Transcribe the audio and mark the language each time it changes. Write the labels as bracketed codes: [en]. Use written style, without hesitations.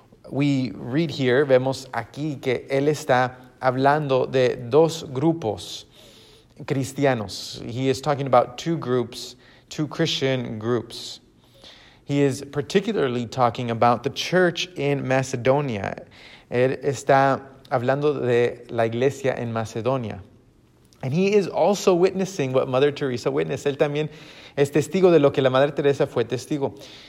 [en] We read here, [es] vemos aquí que él está hablando de dos grupos cristianos. [en] He is talking about two groups, two Christian groups. He is particularly talking about the church in Macedonia. [es] Él está hablando de la iglesia en Macedonia. [en] And he is also witnessing what Mother Teresa witnessed. [es] Él también es testigo de lo que la Madre Teresa fue testigo.